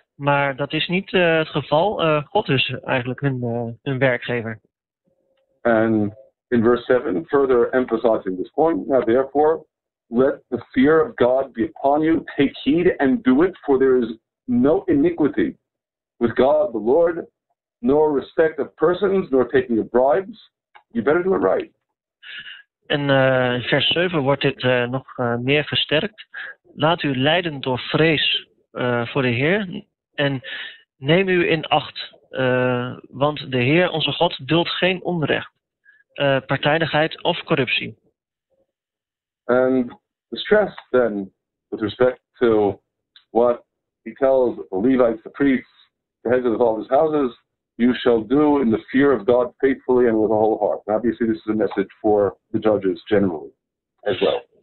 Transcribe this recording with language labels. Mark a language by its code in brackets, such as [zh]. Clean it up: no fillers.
[nl] Maar dat is niet het geval. God is eigenlijk hun werkgever. En in vers 7, [en] further emphasizing this point, now therefore, let the fear of God be upon you, take heed and do it, for there is no iniquity with God the Lord, nor respect of persons, nor taking of bribes. You better do it right. [nl] In vers 7 wordt dit nog meer versterkt. Laat u leiden door vrees voor de Heer en neem u in acht, want de Heer onze God duldt geen onrecht, partijdigheid of corruptie. [en] And the stress then with respect to what he tells the Levites, the priests, the heads of all his houses, you shall do in the fear of God faithfully and with a whole heart. And obviously this is a message for the judges generally as well.